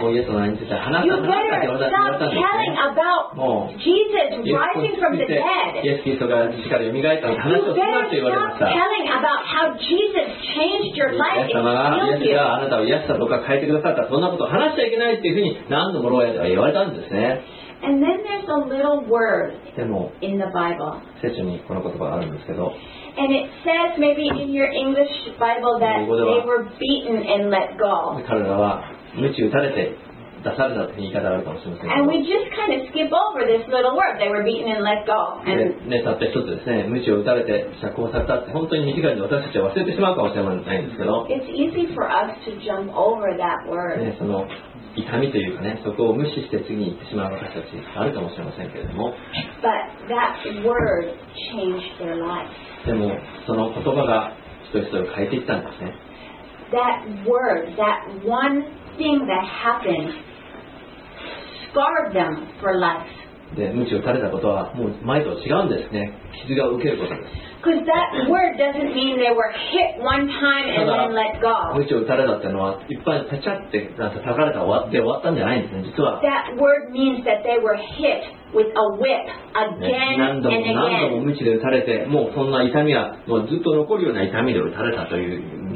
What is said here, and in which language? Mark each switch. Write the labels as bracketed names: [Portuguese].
[English] You better stop telling about Jesus rising from the dead. You better stop telling about how Jesus changed your life and healed you. [Japanese] 神様があなたを癒したとか変えてくださった、そんなことを話しちゃいけないっていうふうに何度も牢屋では言われたんですね。 [English] And then there's a little word in the Bible. [Japanese] 聖書にこの言葉があるんですけど。 [English] And it says maybe in your English Bible that they were beaten and let go. [Japanese] 彼らは鞭打たれて出されたという言い方があるかもしれません。 [English] And we just kind of skip over this little word. They were beaten and let go. And [Japanese] ね、たった一つですね、鞭を打たれて釈放されたって本当に短いので私たちは忘れてしまうかもしれないんですけど。 [English] It's easy for us to jump over that word. [Japanese] ね、その痛みというかね、そこを無視して次に行ってしまう私たちあるかもしれませんけれども。 [English] But that word changed their life. [Japanese] でもその言葉が一つ一つ変えていったんですね。 [English] That word, that one thing that happened, scarred them for life. [Japanese] で、鞭を打たれたことはもう前と違うんですね。傷が受けることです。 [English] Because that word doesn't mean they were hit one time and then let go. [Japanese] 鞭を打たれたってのは、いっぱいペチャってなんか叩かれたで終わったんじゃないんですね、実は。 [English] That word means that they were hit with a whip again and again. [Japanese] 何度も鞭で打たれて、もうそんな痛みはもうずっと残るような痛みで打たれたという。